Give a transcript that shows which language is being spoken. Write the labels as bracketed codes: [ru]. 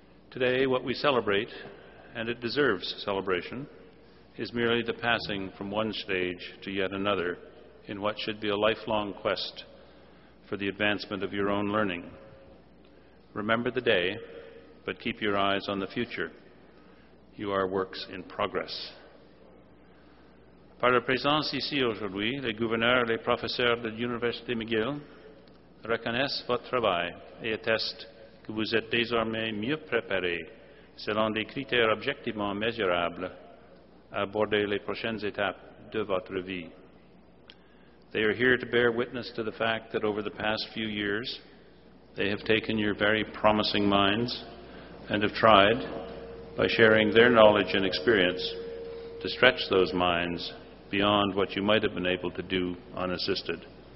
[en] Today, what we celebrate, and it deserves celebration, is merely the passing from one stage to yet another in what should be a lifelong quest for the advancement of your own learning. Remember the day, but keep your eyes on the future. You are works in progress. [fr] Par la présence ici aujourd'hui, les gouverneurs et les professeurs de l'Université McGill reconnaissent votre travail et attestent que vous êtes désormais mieux préparé selon des critères objectivement mesurables à aborder les prochaines étapes de votre vie. [en] They are here to bear witness to the fact that over the past few years, they have taken your very promising minds and have tried, by sharing their knowledge and experience, to stretch those minds beyond what you might have been able to do unassisted.